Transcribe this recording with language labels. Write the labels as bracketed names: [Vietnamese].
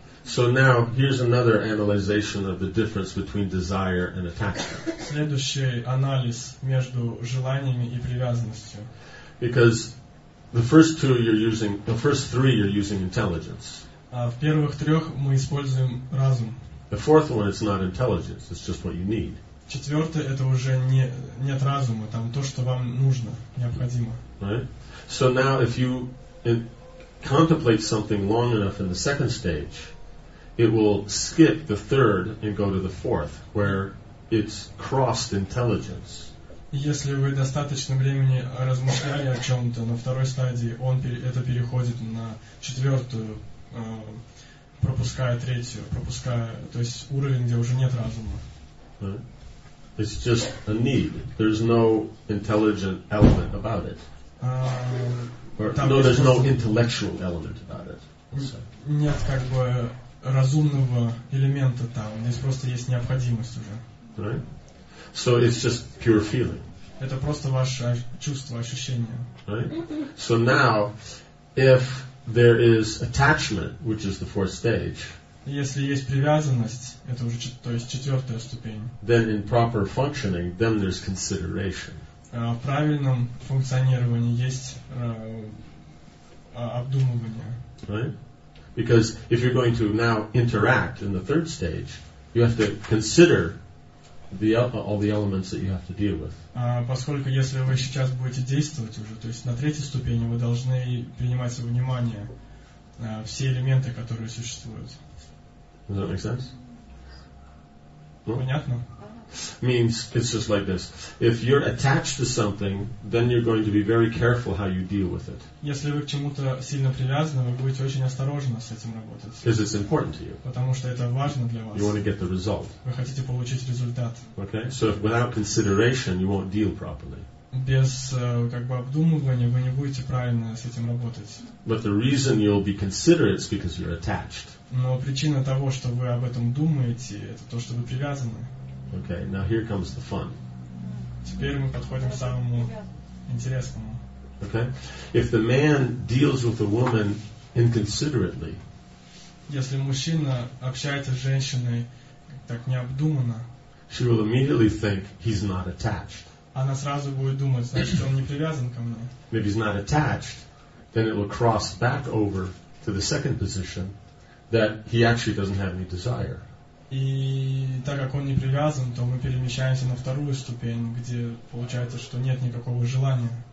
[English] So now here's another analyzation of the difference between desire and attachment. [Russian] Следующий анализ между желаниями и привязанностью. [English] Because the first two you're using, the first three you're using intelligence. [Russian] В первых трех мы используем разум. [English] The fourth one is not intelligence, it's just what you need. [Russian] Четвертый это уже нет разума, там то, что вам нужно, необходимо. [English] Right? So now if you contemplate something long enough in the second stage, it will skip the third and go to the fourth, where it's crossed intelligence. [Russian] Если вы достаточно времени размышляли о чем-то, на второй стадии это переходит на четвертую, пропуская третью, пропуская, то есть уровень, где уже нет разума. [English] Right. It's just a need. There's no intelligent element about it. There's no intellectual element about it. So. [Russian] Нет, как бы разумного элемента там. Здесь просто есть необходимость уже. [English] Right? So it's just pure feeling. [Russian] Это просто ваше чувство, ощущение. [English] Right? So now, if there is attachment, which is the fourth stage, [Russian] если есть привязанность, это уже, то есть четвертая ступень, [English] then in proper functioning, then there's consideration. [Russian] В правильном функционировании есть обдумывание. [English] Right? Because if you're going to now interact in the third stage, you have to consider all the elements that you have to deal with. [Russian] Поскольку если вы сейчас будете действовать уже, то есть на третьей ступени вы должны принимать во внимание все элементы, которые существуют. [English] Does that make sense? [Russian] No? [English] Понятно? Means it's just like this. If you're attached to something, then you're going to be very careful how you deal with it. [Russian] Если вы к чему-то сильно привязаны, вы будете очень осторожно с этим работать. [English] Because it's important to you. [Russian] Потому что это важно для вас. [English] You want to get the result. [Russian] Вы хотите получить результат. [English] Okay. So if without consideration, you won't deal properly. [Russian] Без как бы обдумывания вы не будете правильно с этим работать. [English] But the reason you'll be considerate is because you're attached. [Russian] Но причина того, что вы об этом думаете, это то, что вы привязаны. [English] Okay, now here comes the fun. [Russian] Теперь мы подходим к самому интересному. [English] Okay, if the man deals with a woman inconsiderately, [Russian] если мужчина общается с женщиной так необдуманно, [English] she will immediately think he's not attached. [Russian] Она сразу будет думать, значит, он не привязан ко мне. [English] If he's not attached, then it will cross back over to the second position that he actually doesn't have any desire. [Russian] И так как он не привязан, то мы перемещаемся на вторую ступень, где получается, что нет никакого желания.